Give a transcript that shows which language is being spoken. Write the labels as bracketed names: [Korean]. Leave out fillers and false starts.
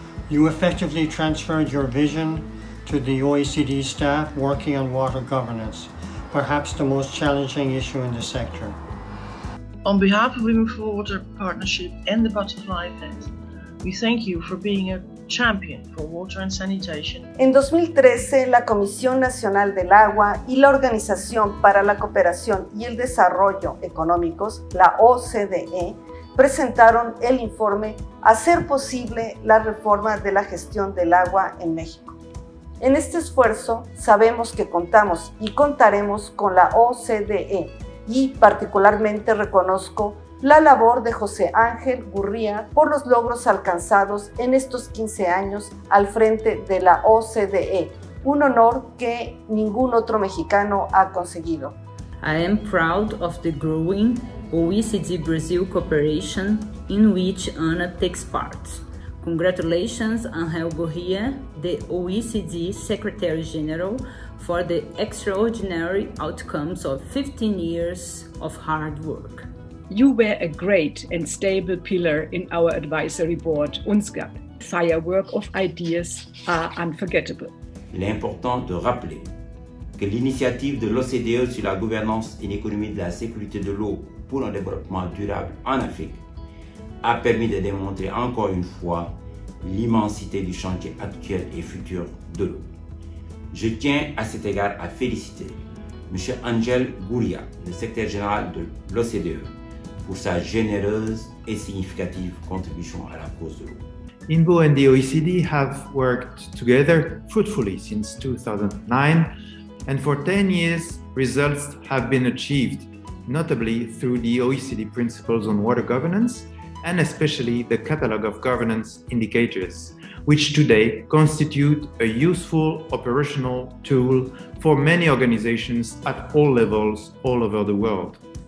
[English] You effectively transferred your vision to the OECD staff working on water governance, perhaps the most challenging issue in the sector. On behalf of Women for Water Partnership and the Butterfly Effect, we thank you for being a champion for water and sanitation. [Spanish] En 2013, la Comisión Nacional del Agua y la Organización para la Cooperación y el Desarrollo Económicos, la OCDE, presentaron el informe Hacer posible la reforma de la gestión del agua en México. En este esfuerzo, sabemos que contamos y contaremos con la OCDE y particularmente reconozco la labor de José Ángel Gurría por los logros alcanzados en estos 15 años al frente de la OCDE. un honor que ningún otro mexicano ha conseguido. [English] I am proud of the growing OECD Brazil cooperation in which Ana takes part. Congratulations, Angel Gurría, the OECD Secretary General, for the extraordinary outcomes of 15 years of hard work. You were a great and stable pillar in our advisory board, UNSCAP. Firework of ideas are unforgettable. [French] Il est important de rappeler que l'initiative de l'OCDE sur la gouvernance et l'économie de la sécurité de l'eau pour un développement durable en Afrique a permis de démontrer encore une fois l'immensité du chantier actuel et futur de l'eau. Je tiens à cet égard à féliciter M. Angel Gurría, le secrétaire général de l'OCDE, pour sa généreuse et significative contribution à la cause de l'eau. [English] INBO and the OECD have worked together fruitfully since 2009, and for 10 years, results have been achieved, notably through the OECD Principles on Water Governance, and especially the Catalogue of Governance Indicators, which today constitute a useful operational tool for many organizations at all levels all over the world.